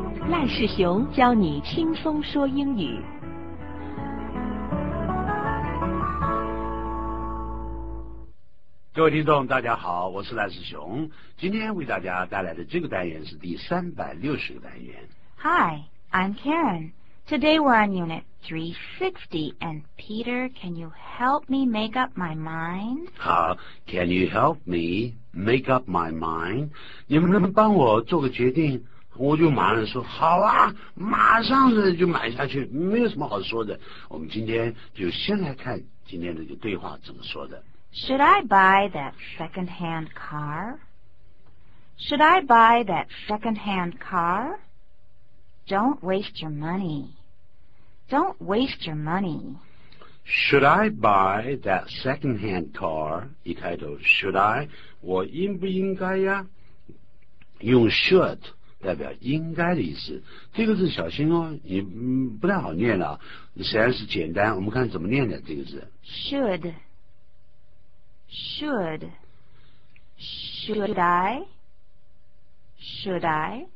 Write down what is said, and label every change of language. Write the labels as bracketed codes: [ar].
[zh] 赖世雄教你轻松说英语。各位听众大家好，我是赖世雄，今天为大家带来的这个单元是第360个单元。 [en] Hi, I'm Karen. Today we're on unit 360 and Peter, can you help me make up my mind? 好， can you help me make up my mind? [zh] 你们能不能帮我做个决定？我就马上说好啊，马上就买下去，没有什么好说的。我们今天就先来看今天这个对话怎么说的。 [en] Should I buy that second-hand car? Should I buy that second-hand car? Don't waste your money. Don't waste your money. Should I buy that second-hand car? [zh] 一开头 [en] should I? [zh] 我应不应该呀？用 should 代表应该的意思。这个字小心哦，你不太好念了。虽然是简单，我们看怎么念的这个字。 [en] Should. Should. Should I? Should I?